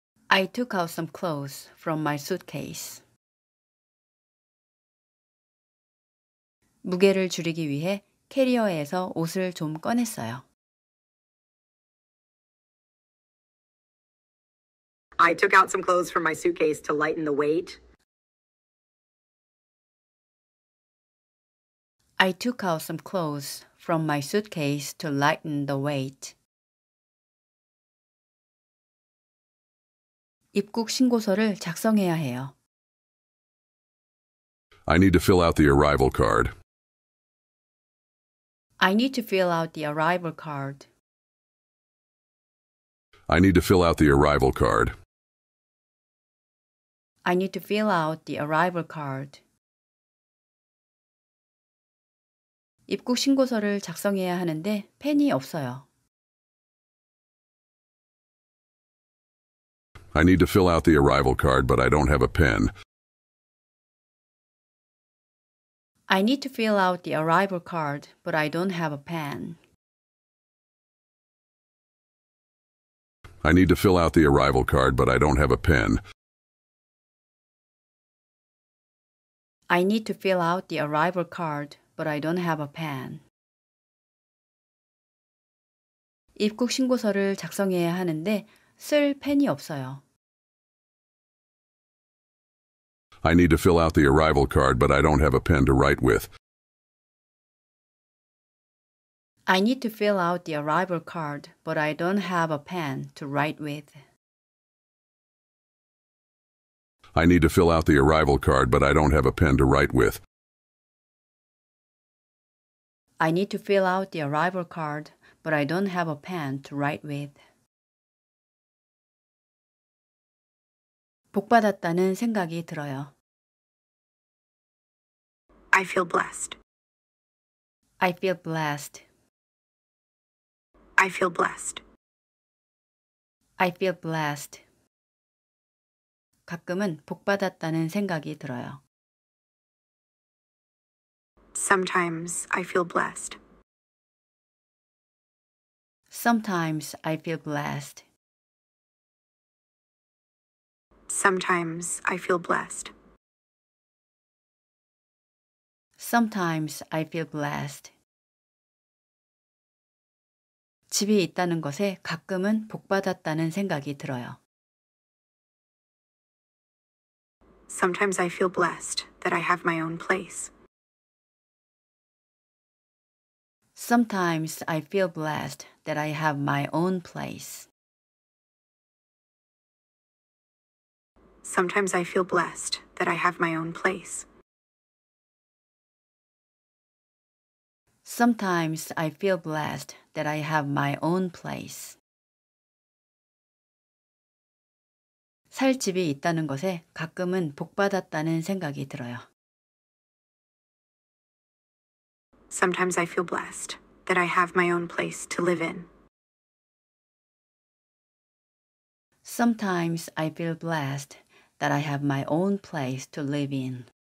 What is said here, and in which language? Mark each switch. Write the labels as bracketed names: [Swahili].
[English] I took out some clothes from my suitcase. [Korean] 무게를 줄이기 위해 캐리어에서 옷을 좀 꺼냈어요. [English] I took out some clothes from my suitcase to lighten the weight. I took out some clothes from my suitcase to lighten the weight. [Korean] 입국 신고서를 작성해야 해요. [English] I need to fill out the arrival card. I need to fill out the arrival card. I need to fill out the arrival card. I need to fill out the arrival card. [Korean] 입국 신고서를 작성해야 하는데 펜이 없어요. [English] I need to fill out the arrival card, but I don't have a pen. I need to fill out the arrival card, but I don't have a pen. I need to fill out the arrival card, but I don't have a pen. I need to fill out the arrival card, but I don't have a pen. [Korean] 입국 신고서를 작성해야 하는데 쓸 펜이 없어요. [English] I need to fill out the arrival card, but I don't have a pen to write with. I need to fill out the arrival card, but I don't have a pen to write with. I need to fill out the arrival card, but I don't have a pen to write with. I need to fill out the arrival card, but I don't have a pen to write with. [Korean] 복 받았다는 생각이 들어요. [English] I feel blessed. I feel blessed. I feel blessed. I feel blessed. [Korean] 가끔은 복 받았다는 생각이 들어요. [English] Sometimes I feel blessed. Sometimes I feel blessed. Sometimes I feel blessed. Sometimes I feel blessed. [Korean] 집이 있다는 것에 가끔은 복 받았다는 생각이 들어요. [English] Sometimes I feel blessed that I have my own place. Sometimes I feel blessed that I have my own place. Sometimes I feel blessed that I have my own place. Sometimes I feel blessed that I have my own place. [Korean] 살 집이 있다는 것에 가끔은 복 받았다는 생각이 들어요. [English] Sometimes I feel blessed that I have my own place to live in. Sometimes I feel blessed that I have my own place to live in.